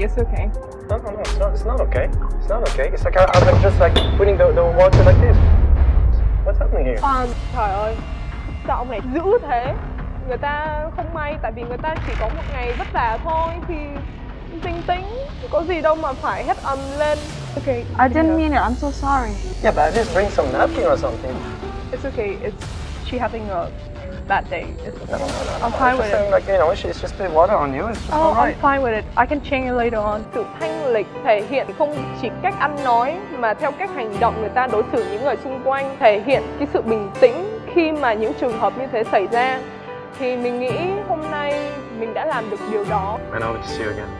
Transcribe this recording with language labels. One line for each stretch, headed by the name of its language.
English: It's like I've been just like putting the water like this. What's happening here?
Vietnamese: Trời ơi, sao ông này dữ thế? Người ta không may, tại vì người ta chỉ có một ngày vất vả thôi thì tinh tính, có gì đâu mà phải hét ầm lên.
English: Okay, I didn't mean it. I'm so sorry. Yeah, but at least bring some napkin or something. It's okay. It's she having a bad day. No. I'm fine with it. Like, you know, it's just a bit water on you. It's just alright. Oh, I'm fine with it. I can change it later on.
Vietnamese: Sự thanh lịch thể hiện không chỉ cách ăn nói mà theo cách hành động người ta đối xử những người xung quanh, thể hiện cái sự bình tĩnh khi mà những trường hợp như thế xảy ra. Thì mình nghĩ hôm nay mình đã làm được điều đó.
English: And I hope to see you again.